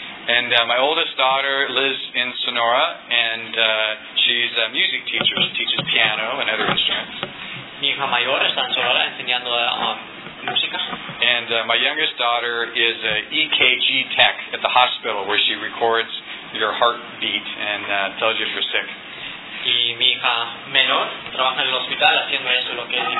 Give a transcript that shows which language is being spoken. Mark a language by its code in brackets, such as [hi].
[en] And my oldest daughter lives in Sonora, and she's a music teacher. She teaches piano and other instruments. [es] Mi hija mayor está en Sonora enseñando música. [en] And my youngest daughter is an EKG tech at the hospital where she records your heartbeat and tells you if you're sick. [es] Y mi hija menor trabaja en el hospital haciendo eso lo que